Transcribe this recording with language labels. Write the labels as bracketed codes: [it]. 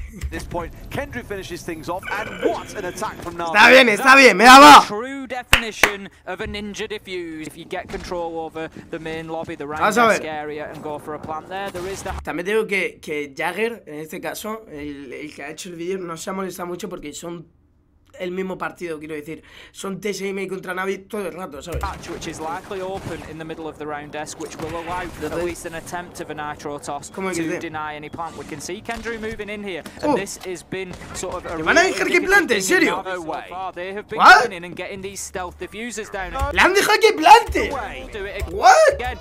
[en] This point, Kendrew finishes things off, and what an attack from Navi! [es] Está bien, me da va. [en] True definition of a ninja defuse. If you get control over the main lobby, the rank area, and go for a plant there, there is the. [es] También digo que Jagger, en este caso, el que ha hecho el vídeo, no se ha molestado mucho porque son el mismo partido, quiero decir, son TSM contra Navi todo el rato, ¿sabes? [en] Hatch, which is likely open in the middle of the round desk, which will allow at least an attempt of a nitro toss to deny any plant. We can see Kendrew moving in here, and this has been sort of a. [es] ¿Van a dejar que plante, en serio? [en] What? [es] ¿Le han dejado que plante? [en] What?